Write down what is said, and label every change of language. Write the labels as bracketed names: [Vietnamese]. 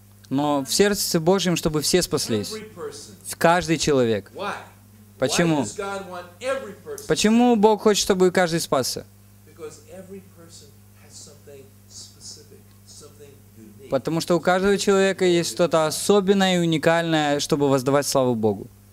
[Russian] Но в сердце Божьем, чтобы все спаслись. Каждый человек. [English] Why? [Russian] Почему? [English] Why does God want every person? [Russian] Почему Бог хочет, чтобы каждый спасся? [English] Because every person has something specific, something unique. [Russian] Потому что у каждого человека есть что-то особенное и уникальное, чтобы воздавать славу Богу.